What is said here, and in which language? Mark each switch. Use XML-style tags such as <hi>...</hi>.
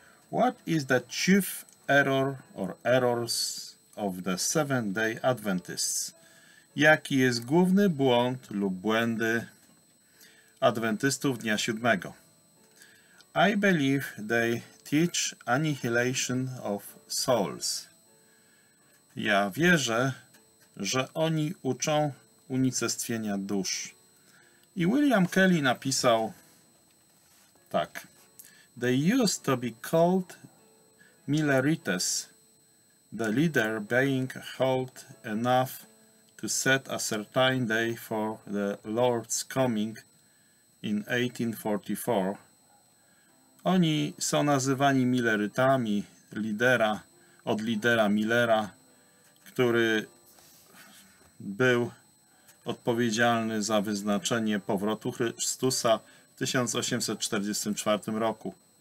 <en>What is the chief error or errors of the Seventh-day Adventists?</en> <pl>Jaki jest główny błąd lub błędy adwentystów dnia siódmego?</pl> <en>I believe they teach annihilation of souls.</en> <pl>Ja wierzę, że oni uczą unicestwienia dusz. I William Kelly napisał tak.</pl> <en>They used to be called Millerites, the leader being held enough to set a certain day for the Lord's coming in 1844.</en> <pl>Oni są nazywani Millerytami, lidera, od lidera Millera, który był odpowiedzialny za wyznaczenie powrotu Chrystusa w 1844 roku.</pl>